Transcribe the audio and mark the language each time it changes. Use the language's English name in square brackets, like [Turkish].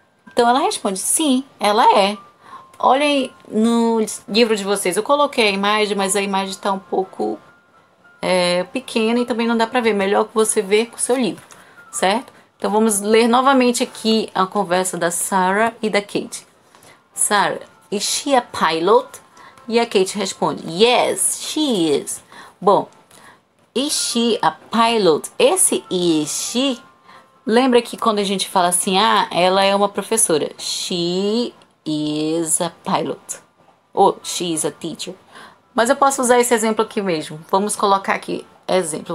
[Portuguese] Então ela responde: Sim, ela é. Olhem no livro de vocês. Eu coloquei a imagem, mas a imagem está um pouco pequena e também não dá para ver. Melhor que você ver com o seu livro, certo? Então vamos ler novamente aqui a conversa da Sarah e da Kate. [English] Sarah, is she a pilot? [Portuguese] E a Kate responde: [English] Yes, she is. Bom, is she a pilot? [Portuguese] Esse is she, lembra que quando a gente fala assim, ah, ela é uma professora. [English] She is a pilot. Ou she is a teacher. [Portuguese] Mas eu posso usar esse exemplo aqui mesmo. Vamos colocar aqui, exemplo.